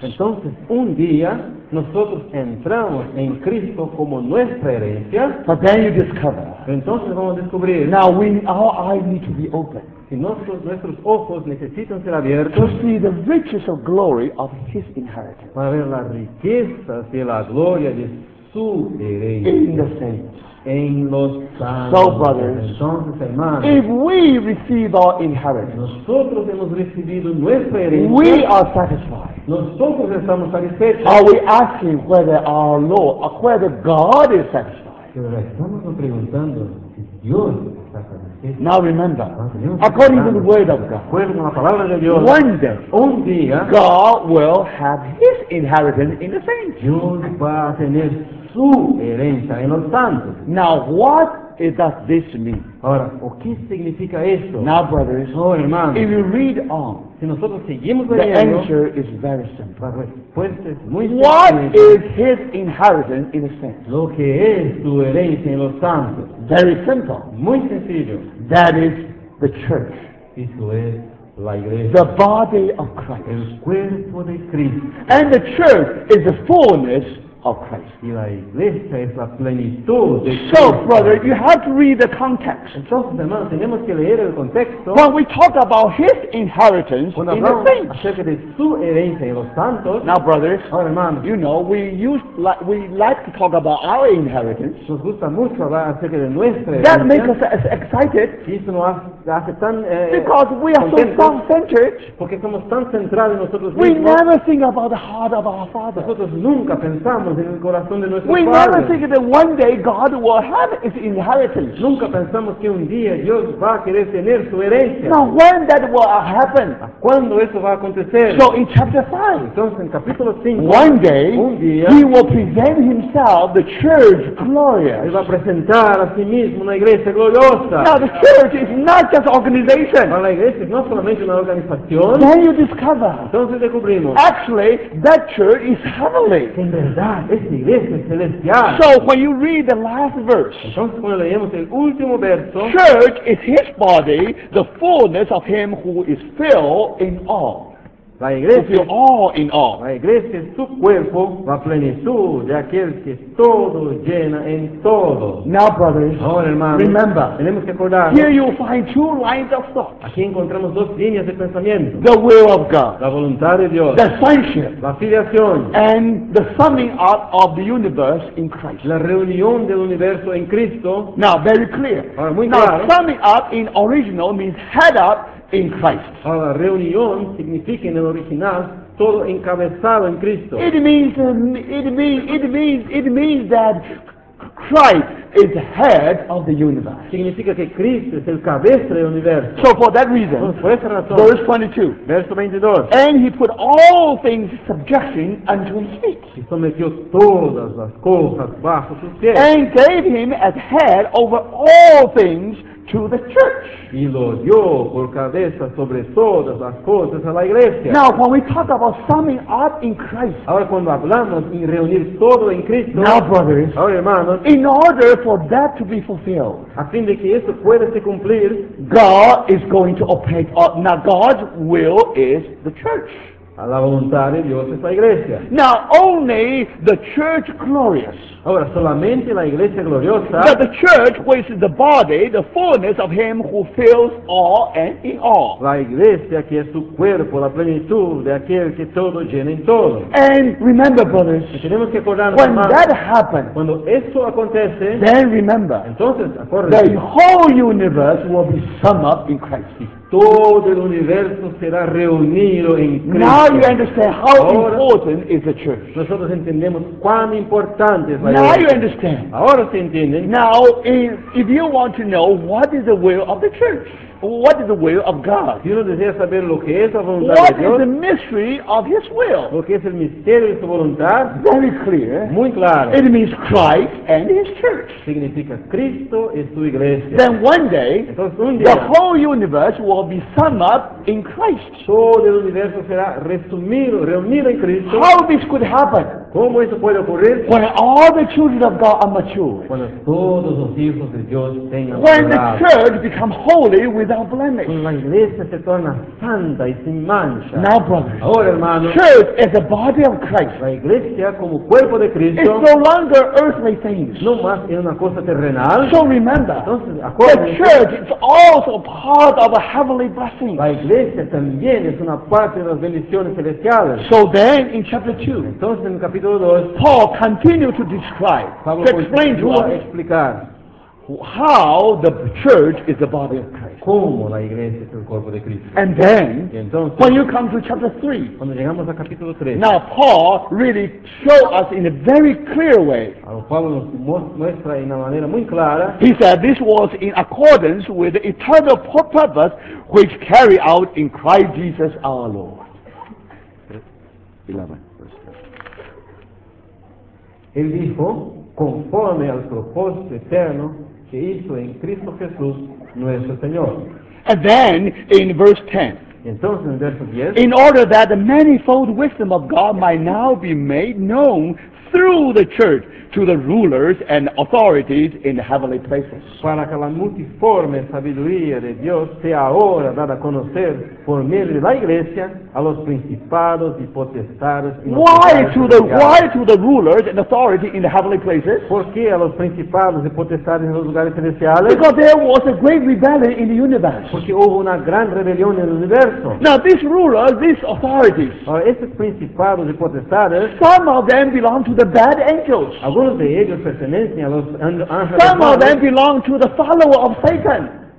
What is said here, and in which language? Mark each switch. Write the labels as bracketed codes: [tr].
[es] Entonces, un día, nosotros entramos en Cristo como nuestra herencia. [en] But then you discover. [es] Entonces vamos a descubrir. [en] Now we, our eyes need to be open. [es] Y nuestros ojos necesitan ser abiertos. [en] To see the riches of glory of His inheritance. [es] Para ver las riquezas y la gloria de su herencia. [en] In the saints. [es] En los santos. [en] So brothers, [es] entonces, hermanos, [en] if we receive our inheritance, [es] nosotros hemos recibido nuestra herencia, [en] we are satisfied. [es] Nosotros estamos satisfechos. [en] Are we asking whether our Lord, or whether God is satisfied? [es] Estamos preguntando si Dios está satisfecho. [en] Now remember, according to the word of God, [es] acuerdo a la palabra de Dios, [en] one day, [es] un día, [en] God will have His inheritance in the saints. [es] Dios va a tener su herencia en los santos. [en] Now, what does this mean? [es] Ahora, ¿o qué significa esto? [en] Now, brothers, [es] oh, hermanos, [en] if you read on, [es] si nosotros seguimos [en] the [es] leyendo, [en] answer is very simple. [es] La respuesta es muy simple. [en] What is His inheritance in a sense? [es] Lo que es su herencia en los santos. [en] Very simple. [es] Muy sencillo. [en] That is the church. [es] Eso es la iglesia. [en] The body of Christ. [es] El cuerpo de Cristo. [en] And the church is the fullness of Christ. [es] Y la iglesia es la plenitud de Cristo. [en] So, brother, you have to read the context. [es] Entonces, hermanos, tenemos que leer el contexto. [en] When we talk about His inheritance [es] cuando [en] in the saints. [es] Acerca de su herencia en los santos. [en] Now, brothers, [es] ahora, hermanos, [en] you know, we like to talk about our inheritance. [es] Nos gusta mucho hablar acerca de nuestra herencia. [en] That makes us as excited. [es] Y eso nos hace tan, [en] because we are [es] contentos. [en] So self-centered. [es] Porque somos tan centrados en nosotros mismos. [en] We never think about the heart of our Father. [es] Nosotros nunca pensamos. [en] We never think that one day God will have His inheritance. [es] Nunca pensamos que un día Dios va a querer tener su herencia. [en] Now when that will happen? [es] ¿Cuándo eso va a acontecer? [en] So in chapter 5. [es] Entonces en capítulo 5. [en] One day, [es] un día, [en] He will present Himself, the church, glorious. [es] Él va a presentar a sí mismo una iglesia gloriosa. [en] Now the church is not just organization. [es] La iglesia no solamente una organización. [en] Then you discover. [es] Entonces descubrimos. [en] Actually, that church is heavenly. So when you read the last verse, [es] entonces cuando leemos el último verso, [en] church is His body, the fullness of Him who is filled in all. [es] La iglesia, [en] all in all. [es] La iglesia es su cuerpo, la plenitud de aquel que es todo llena en todo. [en] Now, brothers, [es] oh, hermanos, [en] remember, [es] tenemos que acordar. [en] Here you find two lines of thought. [es] Aquí encontramos dos líneas de pensamiento. [en] The will of God, [es] la voluntad de Dios. [en] The sonship, [es] la filiación. [en] And the summing up of the universe in Christ, [es] la reunión del universo en Cristo. [en] Now, very clear. [es] Ahora, muy [en] now, [es] claro. [en] Now, summing up in original means head up in Christ. [es] La reunión significa en el original todo encabezado en Cristo. [en] It means that Christ is head of the universe. [pt] Significa que Cristo é o cabeça do universo. [en] So for that reason, [pt] por essa razão, [en] verse 22. [pt] Verso 22. [en] And he put all things in subjection unto his feet. [pt] E submeteu todas as coisas baixo seus pés. [en] And gave him as head over all things to the church. [pt] E lo dio por cabeça sobre todas as coisas à igreja. [en] Now when we talk about summing up in Christ. [pt] Agora quando falamos em reunir todo em Cristo. [en] Now brothers. [pt] Agora irmãos. [en] In order for that to be fulfilled. [pt] A fim de que isso pueda se cumprir. [en] God is going to operate. Now God's will is the church. [es] A la voluntad de Dios es la iglesia. [en] Now only the church glorious. [es] Ahora solamente la iglesia gloriosa. [en] That the church which is the body, the fullness of him who fills all and in all. [es] La iglesia que es su cuerpo, la plenitud de aquel que todo llena en todo. [en] And remember, brothers. [es] Tenemos que acordarnos, [en] when that happens. [es] Cuando eso acontece. [en] Then remember. [es] Entonces, acuérdense. [en] The whole universe will be summed up in Christ. [es] Todo el universo será reunido en Cristo. [en] Now you understand how [es] ahora, [en] important is the church. [es] Nosotros entendemos cuán importante es la [en] now [es] iglesia. [en] Now you understand. [es] Ahora se entienden. [en] Now if you want to know what is the will of the church, what is the will of God? [es] Si uno desea saber lo que es la voluntad [en] what [es] de Dios. [en] What is the mystery of His will? [es] Lo que es el misterio de su voluntad. [en] Very clear. [es] Muy claro. [en] It means Christ and His church. [es] Significa Cristo y su iglesia. [en] Then one day, [es] entonces, un día, [en] the whole universe will be summed up in Christ. [es] Todo el universo será resumido, reunido en Cristo. [en] How this could happen? [es] ¿Cómo eso puede ocurrir? [en] When all the children of God are mature. [es] Cuando todos los hijos de Dios tengan [en] when the church becomes holy without blemish. [es] Cuando la iglesia se torna santa y sin mancha. [en] Now, brothers. [es] Ahora, hermanos. [en] Church is the body of Christ. [es] La iglesia como cuerpo de Cristo. [en] It's no longer earthly things. [es] No más es una cosa terrenal. [en] So remember. [es] Entonces, acuérdense. [en] The church is also part of a heavenly blessing. [es] La iglesia también es una parte de las bendiciones celestiales. [en] So then, in chapter 2. [es] Entonces, en [en] Paul continued to describe, [es] Pablo [en] to explain to us [es] explicar [en] how the church is the body of Christ. [es] Como la iglesia es el cuerpo de Cristo. [en] And then, [es] entonces, [en] when you come to chapter 3, [es] cuando llegamos a capítulo 3, [en] now Paul really showed us in a very clear way. [es] Pablo nos muestra en una manera muy clara. [en] He said this was in accordance with the eternal purpose which carried out in Christ Jesus our Lord. 11. [es] Él dijo, conforme al propósito eterno que hizo en Cristo Jesús, nuestro Señor. [en] And then, in verse 10. [es] Entonces, en verso 10. [en] In order that the manifold wisdom of God might now be made known through the church to the rulers and authorities in the heavenly places. [es] Para que la multiforme sabiduría de Dios sea ahora dada a conocer por medio de la iglesia a los principados y potestades. [en] Why to the rulers and authority in the heavenly places? [es] ¿Por qué a los principados y potestades en los lugares celestiales? [en] Because there was a great rebellion in the universe. [es] Porque hubo una gran rebelión en el universo. [en] Now these rulers, these authorities. [es] Estos principados y potestades. [en] Some of them belong to the bad angels. [es] Algunos de ellos pertenecen a los ángeles. [en] Some of them belong to the follower of Satan.